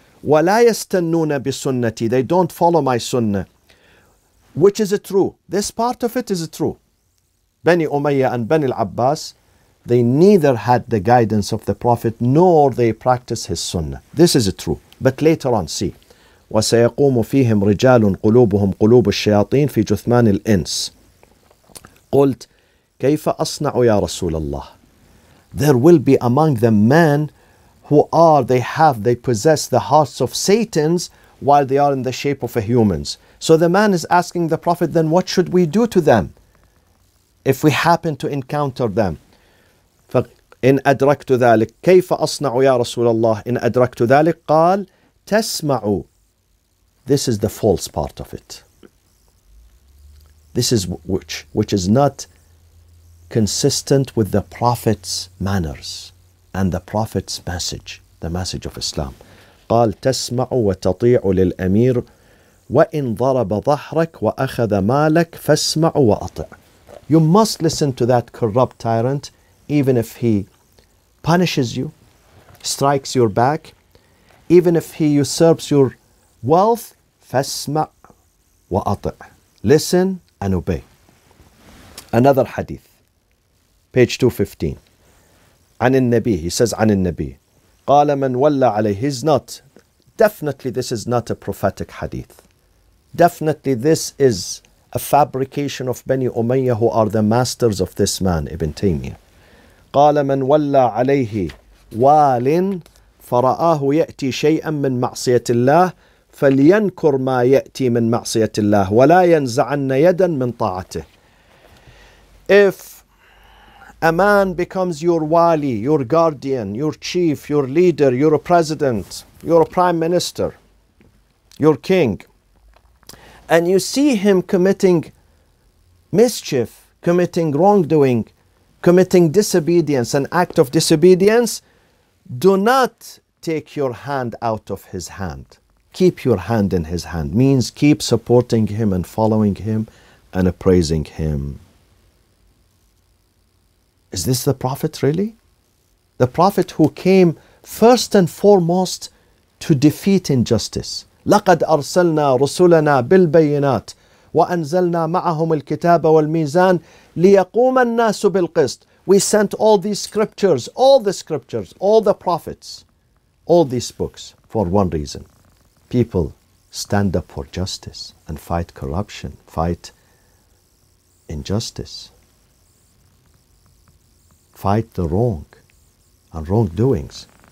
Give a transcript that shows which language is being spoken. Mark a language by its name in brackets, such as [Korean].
[Arabic] وَلَا يَسْتَنُّونَ بِسُنَّتِي. [English] They don't follow my sunnah. Which is true. This part of it is true. Bani Umayyah and Bani al-Abbas, they neither had the guidance of the Prophet nor they practice his sunnah. This is true. But later on, see. [Arabic] وسيقوم فيهم رجال قلوبهم قلوب الشياطين في جثمان الإنس. قلت كيف أصنع يا رسول الله. [English] There will be among them men who are, they have, they possess the hearts of Satans while they are in the shape of a humans. So the man is asking the Prophet, then what should we do to them if we happen to encounter them. [Arabic] فإن أدركت ذلك كيف أصنع يا رسول الله إن أدركت ذلك قال تسمع. [English] This is the false part of it. This is which is not consistent with the Prophet's manners and the Prophet's message, the message of Islam. [Arabic] قال تسمع وتطيع للأمير وإن ضرب ظهرك وأخذ مالك فاسمع وأطع. [English] You must listen to that corrupt tyrant, even if he punishes you, strikes your back, even if he usurps your wealth. [Arabic] فَاسْمَعْ وَأَطِعْ. [English] Listen and obey. Another hadith. Page 215. [Arabic] عن النبي. [English] He says [Arabic] عن النبي. قَالَ مَنْ وَلَّ عَلَيْهِ. [English] He's not. Definitely this is not a prophetic hadith. definitely this is a fabrication of Bani Umayyah, who are the masters of this man, Ibn Taymiyyah. [Arabic] قال من ولى عليه وال فرآه يأتي شيئا من معصية الله فلينكر ما يأتي من معصية الله ولا ينزعن يدا من طاعته. [English] If a man becomes your wali, your guardian, your chief, your leader, your president, your prime minister, your king, and you see him committing mischief, committing wrongdoing, committing disobedience, an act of disobedience, do not take your hand out of his hand. Keep your hand in his hand. Means keep supporting him and following him and appraising him. Is this the Prophet really? The Prophet who came first and foremost to defeat injustice. [Arabic] لقد أرسلنا رسلنا بالبينات وأنزلنا معهم الكتاب والميزان ليقوم الناس بالقسط. [English] We sent all these scriptures, all the scriptures, all the prophets, all these books for one reason. People stand up for justice and fight corruption, fight injustice, fight the wrong and wrongdoings.